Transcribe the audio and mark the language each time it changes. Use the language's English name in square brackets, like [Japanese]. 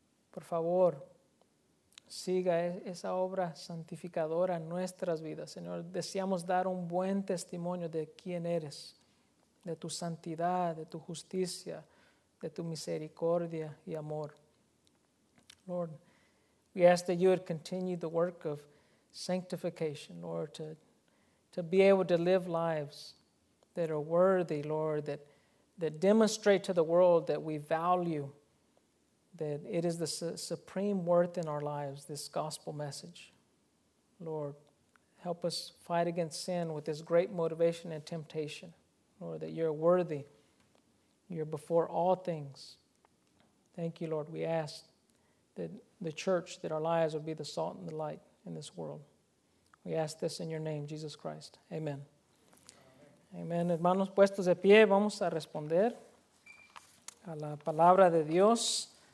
[Spanish] Por favor, siga esa obra santificadora en nuestras vidas. Señor, deseamos dar un buen testimonio de quién eres, de tu santidad, de tu justicia, de tu misericordia y amor. [English] Lord, we ask that you would continue the work of sanctification, Lord, to be able to live lives that are worthy, Lord, that demonstrate to the world that we value, that it is the supreme worth in our lives, this gospel message. Lord, help us fight against sin with this great motivation and temptation, Lord, that you're worthy, you're before all things. Thank you, Lord, we ask that the church, that our lives would be the salt and the light in this world. We ask this in your name, Jesus Christ. Amen. [Spanish] Amén. Hermanos, puestos de pie, vamos a responder a la palabra de Dios.